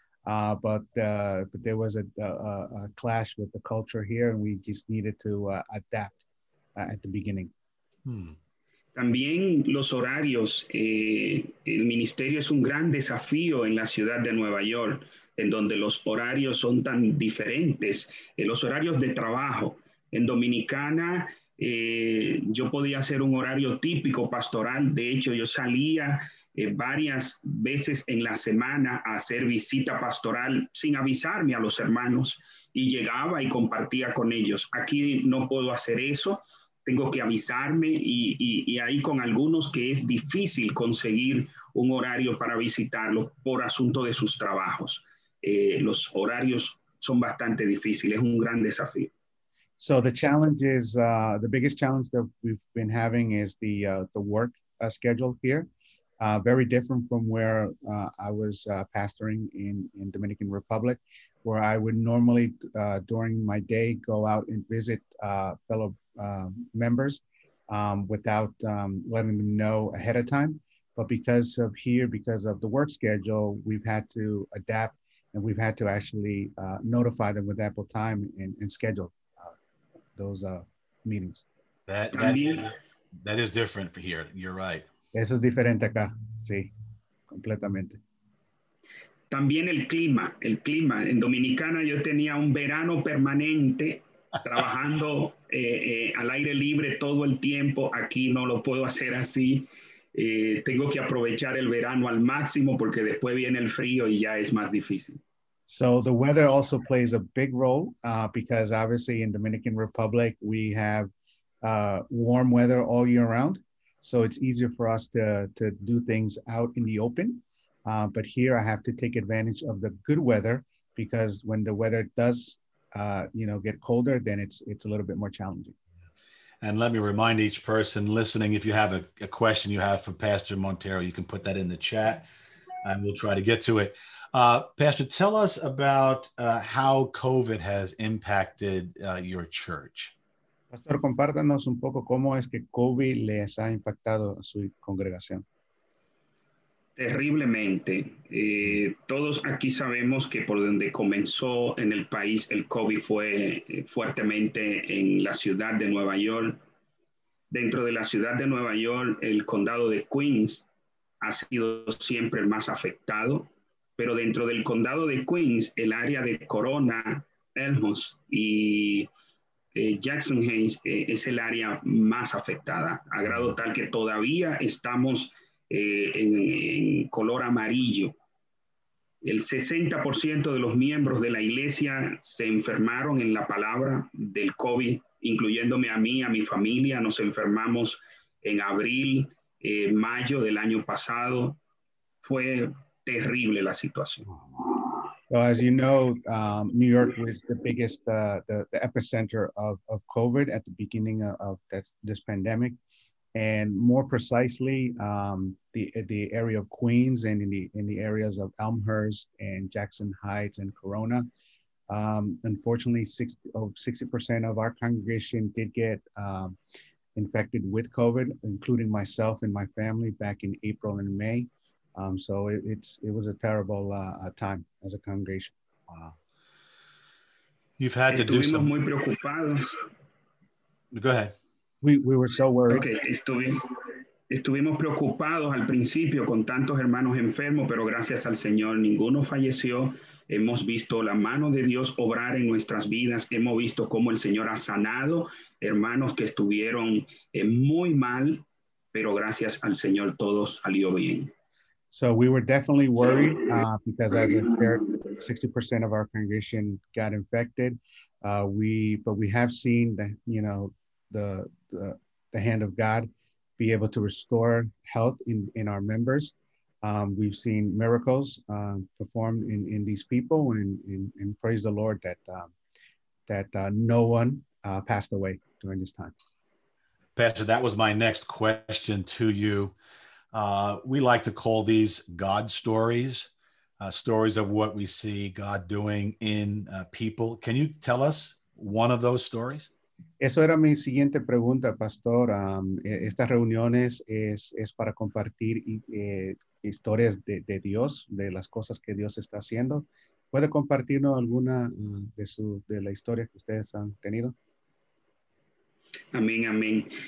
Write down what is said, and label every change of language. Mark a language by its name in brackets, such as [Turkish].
[English] But there was a clash with the culture here, and we just needed to adapt at the beginning. [Spanish] También los horarios. El ministerio es un gran desafío en la ciudad de Nueva York, en donde los horarios son tan diferentes. Los horarios de trabajo en Dominicana Yo podía hacer un horario típico pastoral. De hecho, yo salía varias veces en la semana a hacer visita pastoral sin avisarme a los hermanos y llegaba y compartía con ellos. Aquí no puedo hacer eso, tengo que avisarme y ahí con algunos que es difícil conseguir un horario para visitarlo por asunto de sus trabajos. Los horarios son bastante difíciles, es un gran desafío. [English] So the challenge is, the biggest challenge that we've been having is the work schedule here. Very different from where I was pastoring in Dominican Republic, where I would normally, during my day, go out and visit fellow members without letting them know ahead of time. But because of here, because of the work schedule, we've had to adapt and we've had to actually notify them with ample time and schedule those meetings. That is different for here. You're right. [Spanish] Eso es diferente acá, sí, completamente. También el clima. En Dominicana yo tenía un verano permanente trabajando al aire libre todo el tiempo. Aquí no lo puedo hacer así. Tengo que aprovechar el verano al máximo porque después viene el frío y ya es más difícil. [English] So the weather also plays a big role because obviously in Dominican Republic we have warm weather all year round. So it's easier for us to do things out in the open. But here I have to take advantage of the good weather because when the weather does, get colder, then it's a little bit more challenging. And let me remind each person listening, if you have a question you have for Pastor Montero, you can put that in the chat and we'll try to get to it. Pastor, tell us about how COVID has impacted your church. [Spanish] Pastor, compártanos un poco cómo es que COVID les ha impactado a su congregación. Terriblemente. Todos aquí sabemos que por donde comenzó en el país el COVID fue fuertemente en la ciudad de Nueva York. Dentro de la ciudad de Nueva York, el condado de Queens ha sido siempre el más afectado. Pero dentro del condado de Queens, el área de Corona, Elmhurst y Jackson Hayes es el área más afectada, a grado tal que todavía estamos en color amarillo. El 60% de los miembros de la iglesia se enfermaron en la palabra del COVID, incluyéndome a mí, a mi familia. Nos enfermamos en abril, mayo del año pasado. Fue terrible la situación. [English] Well, as you know, New York was the biggest, the epicenter of COVID at the beginning of this pandemic. And more precisely, the area of Queens and in the areas of Elmhurst and Jackson Heights and Corona, unfortunately, 60% of our congregation did get infected with COVID, including myself and my family back in April and May. So it was a terrible time as a congregation. Wow. You've had to do some. [Spanish] Muy preocupados. [English] Go ahead. We were so worried. [Spanish] Okay, estuvimos preocupados al principio con tantos hermanos enfermos, pero gracias al Señor ninguno falleció. Hemos visto la mano de Dios obrar en nuestras vidas. Hemos visto cómo el Señor ha sanado hermanos que estuvieron muy mal, pero gracias al Señor todo salió bien. [English] So we were definitely worried because as I shared, 60% of our congregation got infected. But we have seen the hand of God be able to restore health in our members. We've seen miracles performed in these people and praise the Lord that no one passed away during this time. Pastor, that was my next question to you. We like to call these God stories, stories of what we see God doing in people. Can you tell us one of those stories? [Spanish] Eso era mi siguiente pregunta, Pastor. Estas reuniones es para compartir historias de Dios, de las cosas que Dios está haciendo. ¿Puede compartirnos alguna de la historia que ustedes han tenido? Amén, amén.